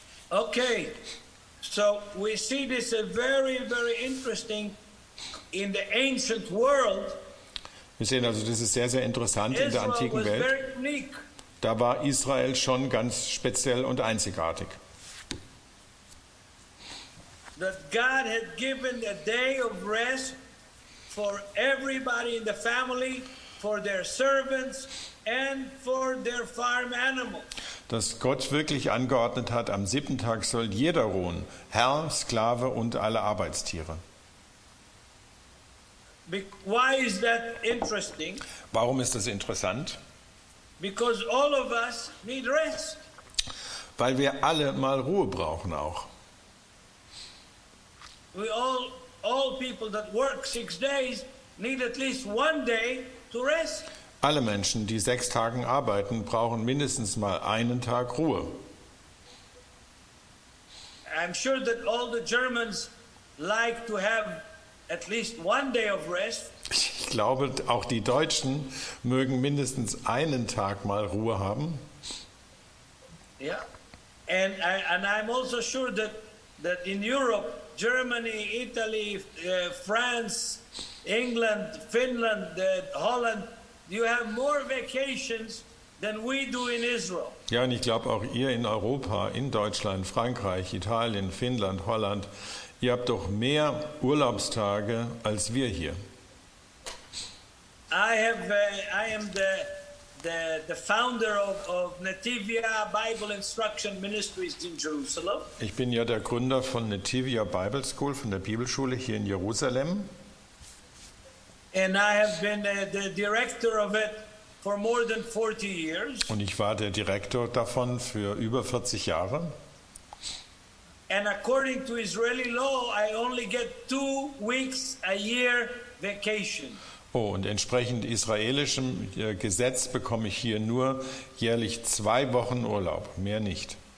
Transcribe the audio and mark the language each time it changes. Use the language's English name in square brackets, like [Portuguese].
[English] Okay, so we see this a very, very interesting in the ancient world. [German] Wir sehen also, das ist sehr, sehr interessant Israel in der antiken Welt. [English] Israel was very unique. [German] Da war Israel schon ganz speziell und einzigartig. [English] That God had given a day of rest for everybody in the family, for their servants and for their farm animals. [German] Dass Gott wirklich angeordnet hat, am siebten Tag soll jeder ruhen, Herr, Sklave und alle Arbeitstiere. [English] Why is that interesting? [German] Warum ist das interessant? [English] Because all of us need rest. [German] Weil wir alle mal Ruhe brauchen auch. [English] We all people that work 6 days need at least one day to rest. [German] Alle Menschen, die 6 Tagen arbeiten, brauchen mindestens mal einen Tag Ruhe. [English] I'm sure that all the Germans like to have at least one day of rest. [German] Ich glaube, auch die Deutschen mögen mindestens einen Tag mal Ruhe haben. Ja. Yeah. [English] And I'm also sure that in Europe, Germany, Italy, France, England, Finland, Holland, you have more vacations than we do in Israel. [German] Ja, und ich glaube auch ihr in Europa, in Deutschland, Frankreich, Italien, Finnland, Holland, ihr habt doch mehr Urlaubstage als wir hier. [English] I am the founder of Nativia Bible Instruction Ministries in Jerusalem. [German] Ich bin ja der Gründer von Nativia Bible School, von der Bibelschule hier in Jerusalem. [English] And I have been the director of it for more than 40 years. [German] Und ich war der Direktor davon für über 40 Jahre. [English] And according to Israeli law, I only get 2 weeks a year vacation. [German] Oh, und entsprechend israelischem Gesetz bekomme ich hier nur jährlich 2 Wochen Urlaub, mehr nicht.